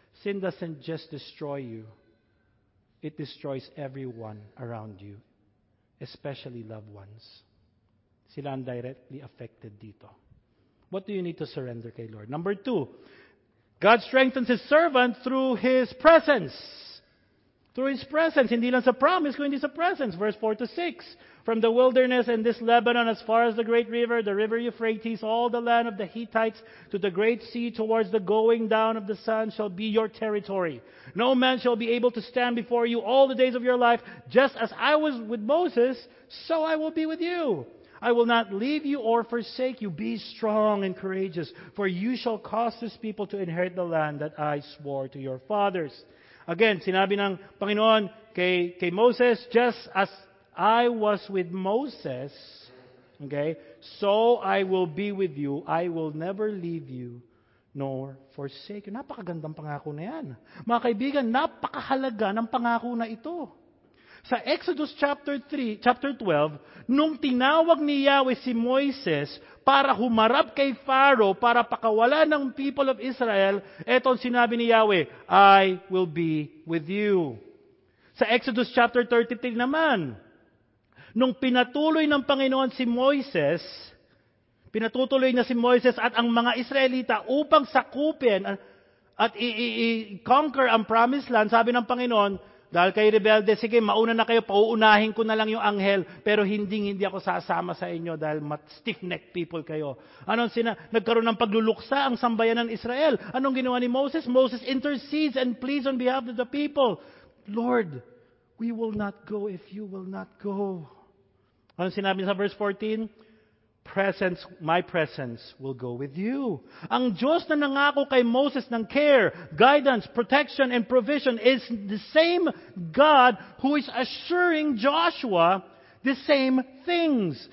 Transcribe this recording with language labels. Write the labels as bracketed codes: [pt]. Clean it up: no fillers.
[en] Sin doesn't just destroy you. It destroys everyone around you. Especially loved ones. [tl] Sila ang directly affected dito. [en] What do you need to surrender kay Lord? Number two, God strengthens His servant through His presence. Through His presence. [tl] Hindi lang sa promise, kundi sa presence. [en] Verse 4 to 6. From the wilderness and this Lebanon, as far as the great river, the river Euphrates, all the land of the Hittites, to the great sea towards the going down of the sun shall be your territory. No man shall be able to stand before you all the days of your life. Just as I was with Moses, so I will be with you. I will not leave you or forsake you. Be strong and courageous, for you shall cause this people to inherit the land that I swore to your fathers. Again, [tl] sinabi ng Panginoon kay Moses, [en] just as I was with Moses, okay, so I will be with you. I will never leave you nor forsake you. [tl] Napakagandang pangako na yan. Mga kaibigan, napakahalaga ng pangako na ito. Sa Exodus chapter 12, nung tinawag ni Yahweh si Moises para humarap kay Pharaoh para pakawalan ng people of Israel, etong sinabi ni Yahweh, [en] I will be with you. [tl] Sa Exodus chapter 33 naman, nung pinatuloy ng Panginoon si Moises, pinatutuloy niya si Moises at ang mga Israelita upang sakupin at i-conquer ang promised land, sabi ng Panginoon, dahil kayo rebelde, sige, mauna na kayo, pauunahin ko na lang yung anghel, pero hindi ako sasama sa inyo dahil stiff-necked people kayo. Anong nagkaroon ng pagluluksa ang sambayan ng Israel? Anong ginawa ni Moses? [en] Moses intercedes and pleads on behalf of the people. Lord, we will not go if you will not go. [tl] Ano sinabi sa verse 14? [en] Presence, my presence will go with you. [tl] Ang Diyos na nangako kay Moses ng [en] care, guidance, protection, and provision is the same God who is assuring Joshua the same things.